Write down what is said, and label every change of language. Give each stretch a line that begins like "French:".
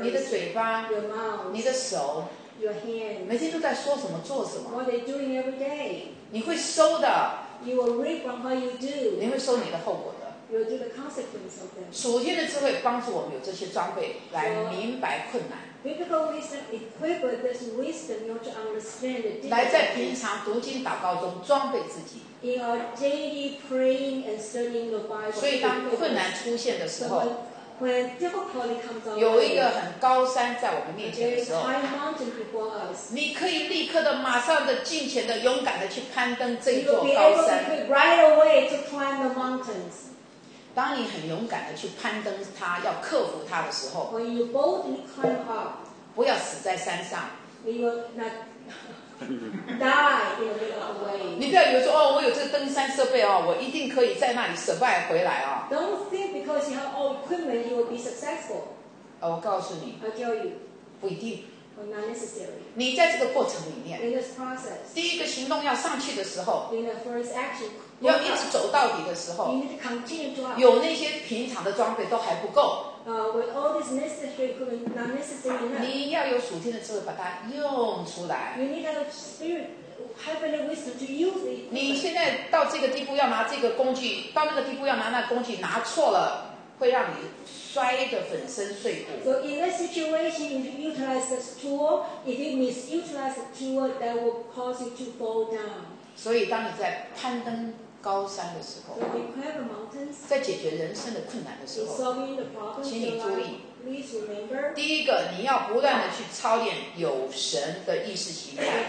Chinese: 你的嘴巴。
English: Your mouth.
Chinese: 你的手。
English: Your hands.
Chinese: 每天都在说什么，做什么。
English: What they doing every day.
Chinese: 你会收的。
English: You will reap from what you do.
Chinese: 你会收你的后果的。
English: You will do the consequence of them.
Chinese: 属天的智慧帮助我们有这些装备来明白困难。
English: Biblical wisdom equipped this wisdom in order to understand the difficulty.
Chinese: 来在平常读经祷告中装备自己。
English: In our daily praying and studying the Bible.
Chinese: 所以当困难出现的时候。
English: When difficulty comes up,
Chinese: 有一个很高山在我们面前的时候，
English: there is high mountain before us.
Chinese: 你可以立刻的、马上的、尽情的、勇敢的去攀登这一座高山。
English: You will be able to right away to climb the mountains.
Chinese: 当你很勇敢的去攀登它、要克服它的时候，
English: when you boldly climb up,
Chinese: 不要死在山上。
English: You die in the middle of the way.
Chinese: 你不要以为说哦，我有这个登山设备哦，我一定可以在那里 survive 回来哦。
English: Don't think because you have all equipment you will be successful.
Chinese: 我告诉你。
English: I tell you.
Chinese: 不一定。
English: Or not necessary.
Chinese: 你在这个过程里面。
English: In this process.
Chinese: 第一个行动要上去的时候。
English: In the first action.
Chinese: 要一直走到底的时候。
English: You need to continue to walk.
Chinese: 有那些平常的装备都还不够。
English: With all this necessary equipment, not necessary enough.
Chinese: 你要有属天的智慧把它用出来。
English: You need a spirit, heavenly wisdom to use it.
Chinese: 你现在到这个地步要拿这个工具，到那个地步要拿那个工具，拿错了会让你摔得粉身碎骨。
English: So in this situation, if you utilize this tool, if you misutilize the tool, that will cause you to fall down.
Chinese: 所以当你在攀登高山的时候，
English: mountains,
Chinese: 在解决人生的困难的时候，
English: problems,
Chinese: 请你注意
English: like, remember,
Chinese: 第一个你要不断的去操练有神的意识形态。